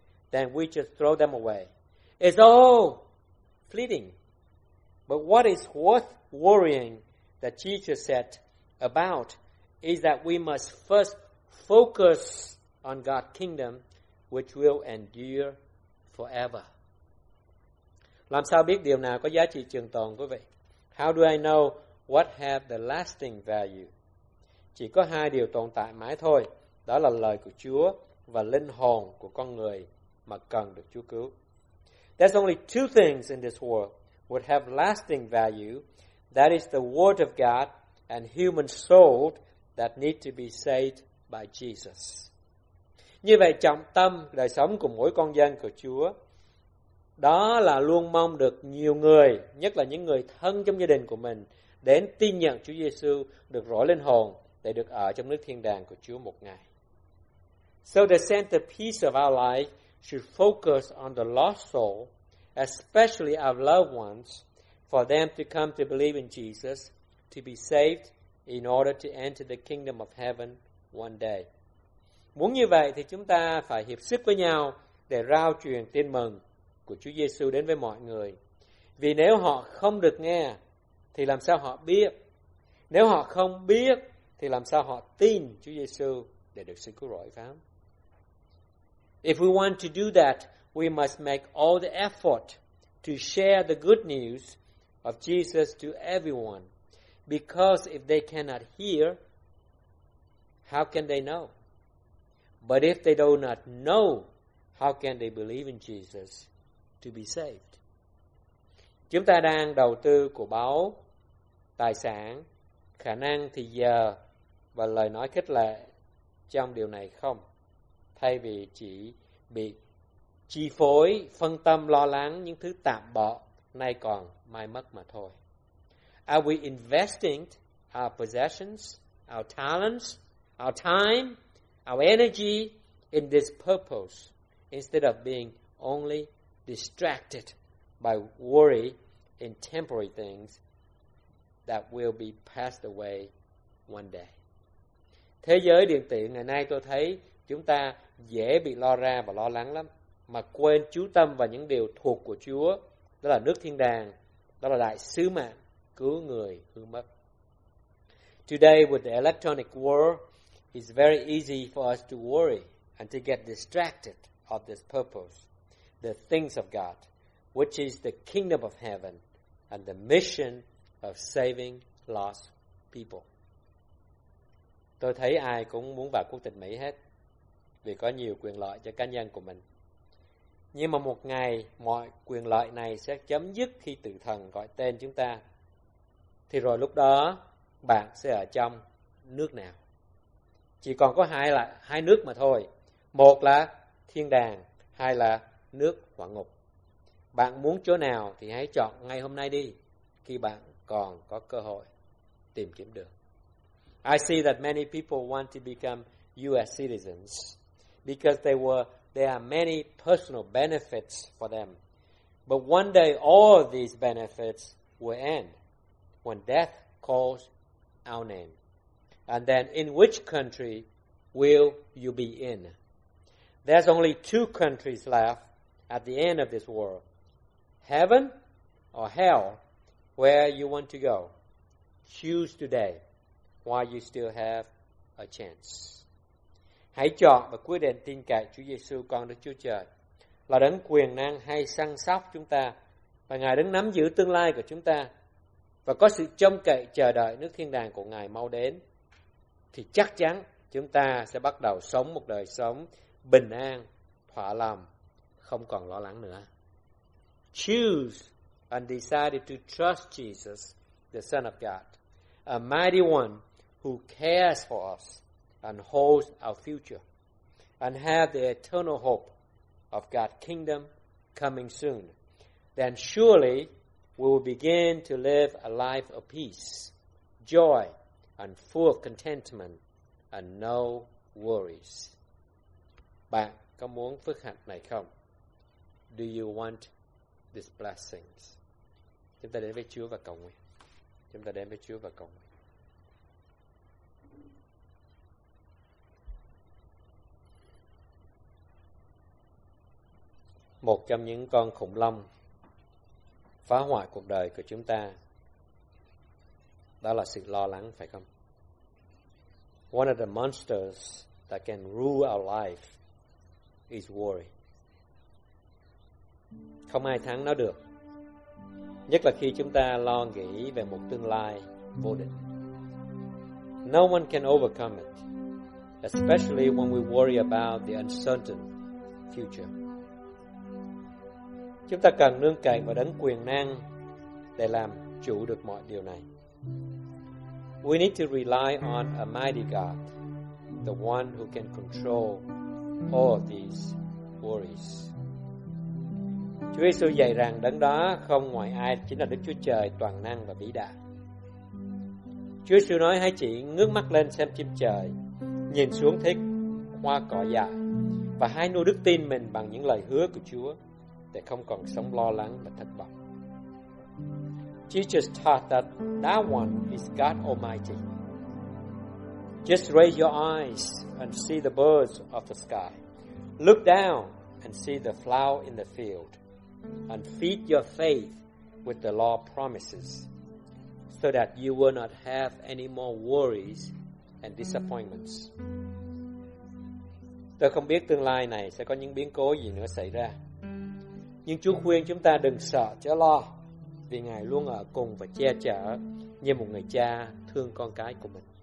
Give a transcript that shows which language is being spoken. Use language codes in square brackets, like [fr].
[en] Then we just throw them away. It's all fleeting. But what is worth worrying, the teacher said, about is that we must first focus on God's kingdom, which will endure forever. [vi] Làm sao biết điều nào có giá trị trường tồn, quý vị? [en] How do I know what have the lasting value? [vi] Chỉ có hai điều tồn tại mãi thôi, đó là lời của Chúa và linh hồn của con người mà cần được Chúa cứu. [en] There's only two things in this world would have lasting value. That is the word of God and human soul that need to be saved by Jesus. [vi] Như vậy trọng tâm đời sống của mỗi con dân của Chúa đó là luôn mong được nhiều người, nhất là những người thân trong gia đình của mình đến tin nhận Chúa Giêsu, được rỗi linh hồn để được ở trong nước thiên đàng của Chúa một ngày. [en] So the centerpiece of our life should focus on the lost soul, especially our loved ones, for them to come to believe in Jesus, to be saved in order to enter the kingdom of heaven one day. [vi] Muốn như vậy thì chúng ta phải hiệp sức với nhau để rao truyền tin mừng của Chúa Giêsu đến với mọi người. Vì nếu họ không được nghe thì làm sao họ biết? Nếu họ không biết thì làm sao họ tin Chúa Giêsu để được sự cứu rỗi, phải không? [en] If we want to do that, we must make all the effort to share the good news of Jesus to everyone. Because if they cannot hear, how can they know? But if they do not know, how can they believe in Jesus to be saved? [vi] Chúng ta đang đầu tư của báu, tài sản, khả năng thì giờ và lời nói khích lệ trong điều này không? Thay vì chỉ bị chi phối, phân tâm lo lắng những thứ tạm bợ, nay còn mai mất mà thôi. [en] Are we investing our possessions, our talents, our time, our energy in this purpose instead of being only distracted by worry in temporary things that will be passed away one day? [vi] Thế giới điện tử ngày nay tôi thấy chúng ta dễ bị lo ra và lo lắng lắm, mà quên chú tâm vào những điều thuộc của Chúa, đó là nước thiên đàng, đó là đại sứ mạng cứu người hư mất. [en] Today with the electronic world, it's very easy for us to worry and to get distracted of this purpose, the things of God, which is the kingdom of heaven and the mission of saving lost people. [vi] Tôi thấy ai cũng muốn vào quốc tịch Mỹ hết, vì có nhiều quyền lợi cho cá nhân của mình. Nhưng mà một ngày mọi quyền lợi này sẽ chấm dứt khi tử thần gọi tên chúng ta. Thì rồi lúc đó bạn sẽ ở trong nước nào? Chỉ còn có hai nước mà thôi. Một là thiên đàng, hai là nước quả ngục. Bạn muốn chỗ nào thì hãy chọn ngay hôm nay đi, khi bạn còn có cơ hội tìm kiếm được. [en] I see that many people want to become U.S. citizens because there are many personal benefits for them. But one day all these benefits will end when death calls our name. And then in which country will you be in? There's only two countries left at the end of this world, heaven or hell, where you want to go, choose today while you still have a chance. [vi] Hãy chọn và quyết định tin cậy Chúa Giêsu, Con Đức Chúa Trời, là đấng quyền năng hay săn sóc chúng ta, và Ngài đấng nắm giữ tương lai của chúng ta, và có sự trông cậy chờ đợi nước thiên đàng của Ngài mau đến, thì chắc chắn chúng ta sẽ bắt đầu sống một đời sống bình an, thỏa lòng, không còn lo lắng nữa. [en] Choose and decide to trust Jesus, the Son of God, a mighty one who cares for us and holds our future, and have the eternal hope of God's kingdom coming soon. Then surely we will begin to live a life of peace, joy, and full of contentment, and no worries. [vi] Bạn có muốn phước hạnh này không? [en] Do you want these blessings? [vi] Chúng ta đến với Chúa và cầu nguyện. Chúng ta đến với Chúa và cầu nguyện. Một trong những con khủng long phá hoại cuộc đời của chúng ta, đó là sự lo lắng, phải không? [en] One of the monsters that can rule our life is worry. [vi] Không ai thắng nó được, nhất là khi chúng ta lo nghĩ về một tương lai vô định. [en] No one can overcome it, especially when we worry about the uncertain future. [vi] Chúng ta cần nương cậy vào đấng quyền năng để làm chủ được mọi điều này. [en] We need to rely on a mighty God, the one who can control all of these worries. [vi] Chúa Giêsu dạy rằng đấng đó không ngoài ai chính là Đức Chúa Trời toàn năng và vĩ đại. Chúa Giêsu nói hãy chỉ ngước mắt lên xem chim trời, nhìn xuống thấy hoa cỏ dại, và hãy nuôi đức tin mình bằng những lời hứa của Chúa, để không còn sống lo lắng và thất vọng. [en] Jesus taught that that one is God Almighty. Just raise your eyes and see the birds of the sky. Look down and see the flower in the field, and feed your faith with the Lord promises, so that you will not have any more worries and disappointments. [vi] Tôi không biết tương lai này sẽ có những biến cố gì nữa xảy ra, nhưng Chúa khuyên chúng ta đừng sợ chớ lo, vì Ngài luôn ở cùng và che chở như một người cha thương con cái của mình.